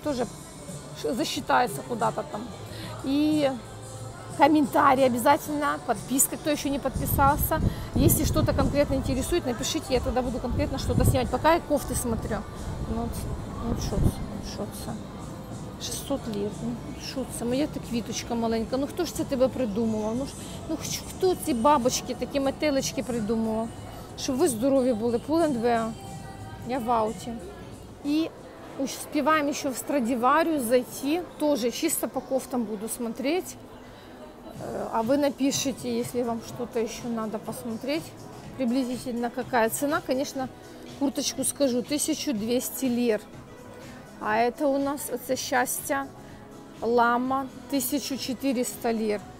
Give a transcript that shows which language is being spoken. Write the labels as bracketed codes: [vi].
[ru] Тоже засчитается куда-то там. И комментарий обязательно, подписка, кто еще не подписался. Если что-то конкретно интересует, напишите, я тогда буду конкретно что-то снимать. Пока я кофты смотрю. Ну, шутся. 600 лир, шутся. Моя так квиточка маленькая. [uk] Ну, кто ж це тебе придумував? Ну, хто ці бабочки, такі метелечки придумував? Щоб ви здорові були. Pull&B, я в ауті. І успіваємо ще в Страдіварію зайти. [ru] Тоже чисто по кофтам буду смотреть. А вы напишите, если вам что-то еще надо посмотреть, приблизительно какая цена. Конечно, курточку скажу, 1200 лир. А это у нас, это счастье, лама, 1400 лир.